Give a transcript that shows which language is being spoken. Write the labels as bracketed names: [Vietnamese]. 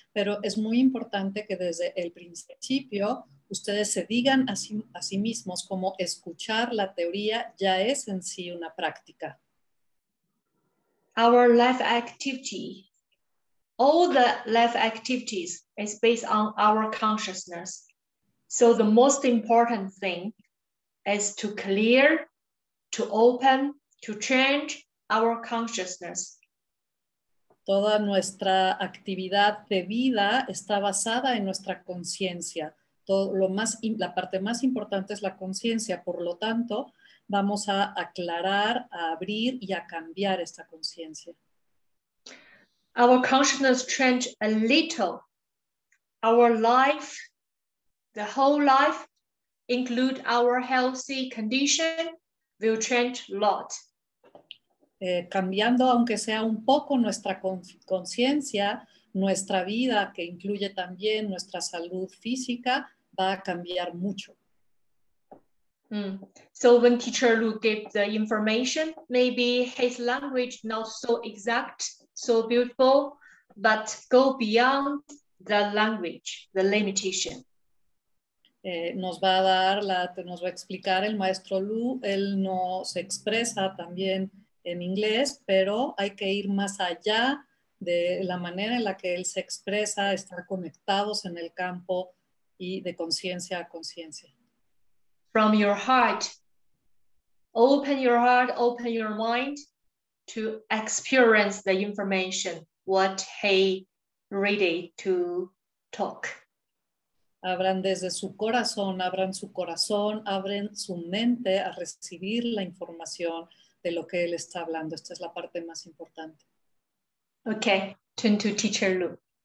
[Spanish] Pero es muy importante que desde el principio ustedes se digan a sí mismos cómo escuchar la teoría ya es en sí una práctica. [English] Our life activity, all the life activities is based on our consciousness. So the most important thing is to clear, to open, to change our consciousness. [Spanish] Toda nuestra actividad de vida está basada en nuestra conciencia. Todo, lo más, la parte más importante es la conciencia, por lo tanto, vamos a aclarar, a abrir y a cambiar esta conciencia. [English] Our consciousness changed a little. Our life, the whole life, include our healthy condition, will change a lot. [Spanish] Cambiando, aunque sea un poco nuestra conciencia, nuestra vida, que incluye también nuestra salud física, va a cambiar mucho. [English] So when teacher Lu gave the information, maybe his language not so exact, so beautiful, but go beyond the language, the limitation. [Spanish] Nos va a dar la, nos va a explicar el maestro Lu, él no se expresa también en inglés, pero hay que ir más allá de la manera en la que él se expresa, estar conectados en el campo y de conciencia a conciencia. [English] From your heart, open your heart, open your mind to experience the information, what he ready to talk. [Spanish] Abran desde su corazón, abran su corazón, abren su mente a recibir la información de lo que él está hablando. Esta es la parte más importante. [English] Okay, turn to teacher Lu.